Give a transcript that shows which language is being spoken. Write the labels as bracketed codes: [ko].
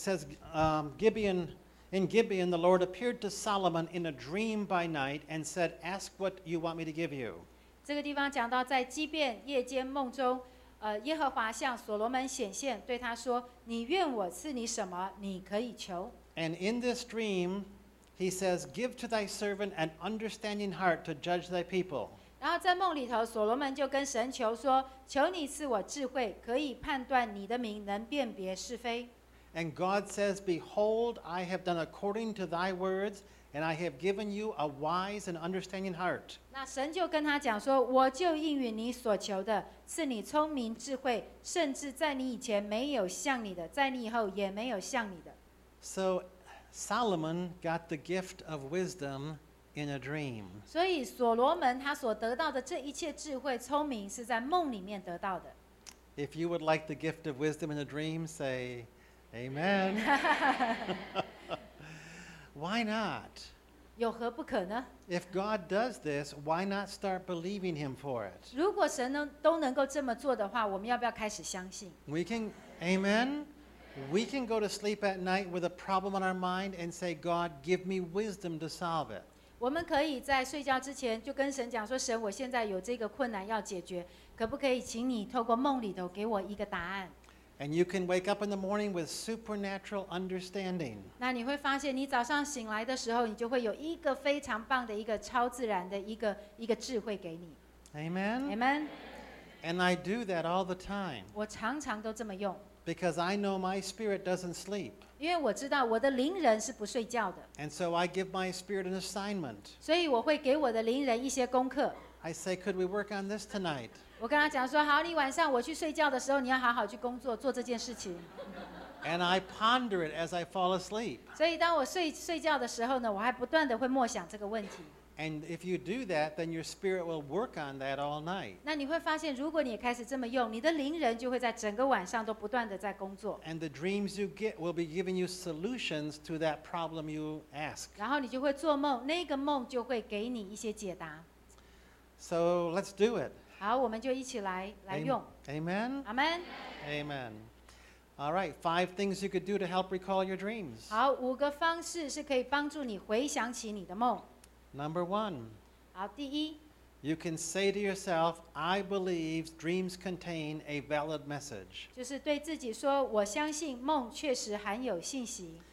[en] It says, in Gibeon, the Lord appeared to Solomon in a dream by night and said, "Ask what you want me to give you." [zh] 这个地方讲到在基遍夜间梦中，耶和华向所罗门显现，对他说，你愿我赐你什么，你可以求。 [en] And in this dream, he says, "Give to thy servant an understanding heart to judge thy people." [zh] 然后在梦里头，所罗门就跟神求说，求你赐我智慧，可以判断你的名，能辨别是非。 [en] And God says, Behold, I have done according to thy words, and I have given you a wise and understanding heart. [zh] 那神就跟他讲说，我就应允你所求的，赐你聪明智慧，甚至在你以前没有像你的，在你以后也没有像你的。 [en] So Solomon got the gift of wisdom in a dream. [zh] 所以所罗门他所得到的这一切智慧聪明是在梦里面得到的。 [en] If you would like the gift of wisdom in a dream, say Amen. Why not? [zh] 有何不可呢？ [en] If God does this, why not start believing him for it? [zh] 如果神都能够这么做的话，我们要不要开始相信？ [en] We can, Amen. We can go to sleep at night with a problem on our mind and say, God, give me wisdom to solve it. [zh] 我们可以在睡觉之前就跟神讲说，神，我现在有这个困难要解决，可不可以请你透过梦里头给我一个答案。 [en] And you can wake up in the morning with supernatural understanding. [zh] 那你会发现你早上醒来的时候，你就会有一个非常棒的一个超自然的一个智慧给你。 [en] Amen. Amen. And I do that all the time. [zh] 我常常都这么用。 [en] Because I know my spirit doesn't sleep. [zh] 因为我知道我的灵人是不睡觉的。 [en] And so I give my spirit an assignment. [zh] 所以我会给我的灵人一些功课。 [en] I say, could we work on this tonight? [zh] 我跟他讲说，好，你晚上我去睡觉的时候，你要好好去工作，做这件事情。 [en] And I ponder it as I fall asleep. [zh] 所以当我睡觉的时候呢，我还不断地会默想这个问题。 [en] And if you do that, then your spirit will work on that all night. [zh] 那你会发现，如果你开始这么用，你的灵人就会在整个晚上都不断的在工作。 [en] And the dreams you get will be giving you solutions to that problem you ask. [zh] 然后你就会做梦，那个梦就会给你一些解答。 [en] So let's do it. [zh] 好，我们就一起来用。 [en] Amen. Amen. Amen. All right, five things you could do to help recall your dreams. [zh] 好，五个方式是可以帮助你回想起你的梦。 [en] Number one. [zh] 好，第一。 [en] You can say to yourself, "I believe dreams contain a valid message." [zh] 就是对自己说，我相信梦确实含有信息。